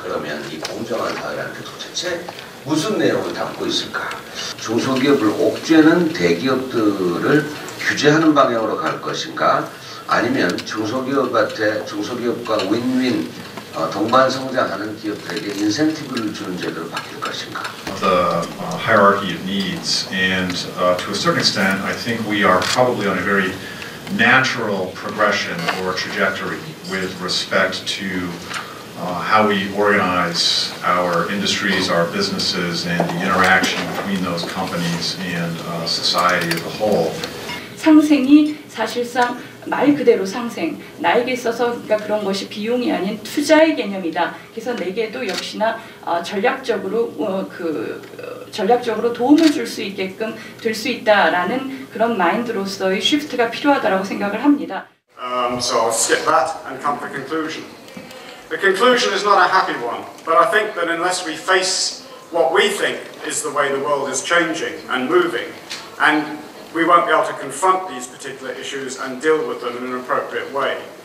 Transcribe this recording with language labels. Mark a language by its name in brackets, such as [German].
[Korean] 그러면 이 공정한 사회라는 게 도대체 무슨 내용을 담고 있을까? 중소기업을 옥죄는 대기업들을 규제하는 방향으로 갈 것인가? 아니면 중소기업한테 중소기업과 윈윈 동반 성장하는 기업들에게 인센티브를 주는 제도로 바뀔 것인가? [English] The hierarchy of needs, and to a certain extent, I think we are probably on a very natural progression or trajectory with respect to how we organize our industries, our businesses, and the interaction between those companies and society as a whole. [Korean] 상생이 사실상 말 그대로 상생, 나에게 있어서 그러니까 그런 것이 비용이 아닌 투자의 개념이다. 그래서 내게도 역시나 전략적으로 전략적으로 도움을 줄 수 있게끔 될 수 있다라는 그런 마인드로서의 쉬프트가 필요하다고 생각을 합니다. [English] So I'll skip that and come to the conclusion. The conclusion is not a happy one, but I think that unless we face what we think is the way the world is changing and moving, and we won't be able to confront these particular issues and deal with them in an appropriate way.